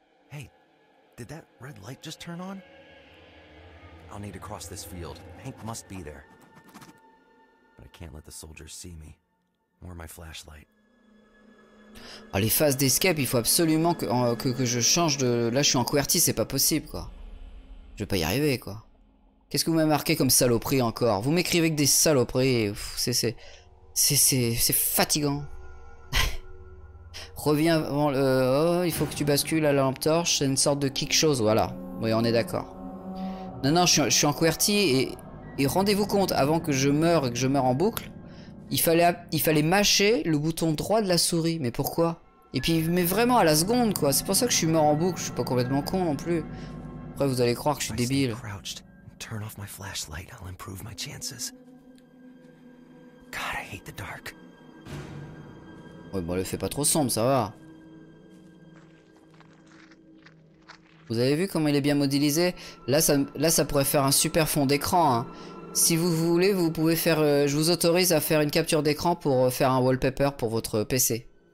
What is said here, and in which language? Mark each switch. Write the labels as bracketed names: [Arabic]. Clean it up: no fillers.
[English] Hey, did that red light just turn on? I'll need to cross this field. Hank must be there. But I can't let the soldiers see me. Or my flashlight. [French] Oh, les phases d'escape, il faut absolument que je change de... Là, je suis en QWERTY, c'est pas possible, quoi. Je vais pas y arriver, quoi. Qu'est-ce que vous m'avez marqué comme saloperie encore? Vous m'écrivez que des saloperies. C'est fatigant. Reviens avant le... Oh, il faut que tu bascules à la lampe torche. C'est une sorte de quelque chose, voilà. Oui, on est d'accord. Non, non, je suis en QWERTY et rendez-vous compte, avant que je meure et que je meure en boucle, il fallait mâcher le bouton droit de la souris. Mais pourquoi? Et puis, mais vraiment à la seconde, quoi. C'est pour ça que je suis mort en boucle. Je suis pas complètement con non plus. Après, vous allez croire que je suis débile. [English] Turn off my flashlight, I'll improve my chances. God, I hate the dark. [French] Ouais, bon, le fait pas trop sombre, ça va. Vous avez vu comment il est bien modélisé? Là, ça pourrait faire un super fond d'écran, hein. Si vous voulez, vous pouvez faire... je vous autorise à faire une capture d'écran pour faire un wallpaper pour votre PC.